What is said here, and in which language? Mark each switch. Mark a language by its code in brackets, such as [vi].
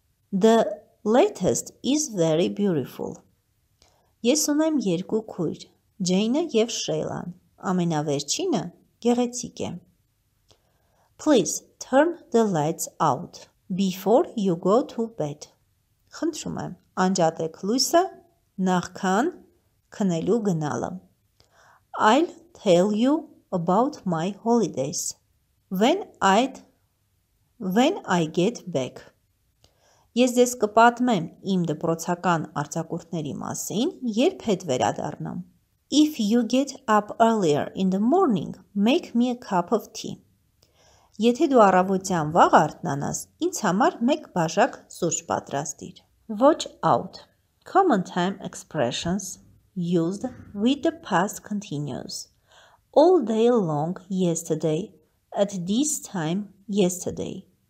[en] The latest is very beautiful. [hy] Ես ունեմ երկու քույր, Jane-ը և Sheila-ն։ Ամենավերջինը գեղեցիկ է։ [en] Please turn the lights out before you go to bed. [hy] Խնդրում եմ, անջատեք լույսը նախքան քնելու գնալը. [en] I'll tell you about my holidays when I get back. [hy] Ես ձեզ կպատմեմ իմ դպրոցական արձակուրդների մասին, երբ հետ վերադառնամ. [en] If you get up earlier in the morning, make me a cup of tea. [hy] Եթե դու առավոտյան վաղ արթնանաս, ինձ համար մեկ բաժակ սուրճ պատրաստիր. [en] Watch out. Common time expressions used with the past continuous. All day long yesterday, at this time yesterday.